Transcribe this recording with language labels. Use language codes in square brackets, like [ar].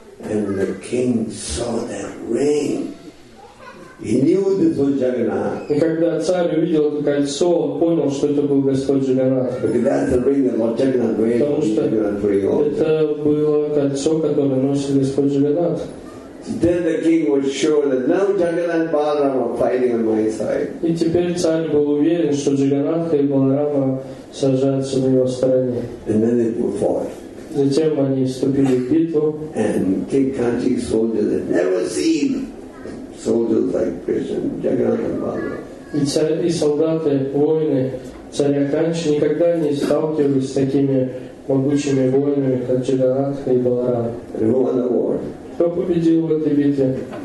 [en] And the king saw that ring. He knew this was Jagannath. [ru] И когда царь увидел это кольцо, он понял, что это был Господь Джаганнат. Потому что это было кольцо, которое носил Господь Джаганнат. [en] Then the king was sure that now Jagannath and Balaram are fighting on my side. [ru] И теперь царь был уверен, что Джаганнатха и Баларама сражаются на его стороне. [en] And then they fought. [ru] Затем они вступили в битву. [en] And King Kanchi soldiers had never seen soldiers like Krishna, Jagannath and Balaram. [ru] И солдаты, воины царя Канчи никогда не сталкивались с такими могучими воинами, как Джаганнатх и Баларам. [en] And who won the war? [ru] Кто победил в этой битве?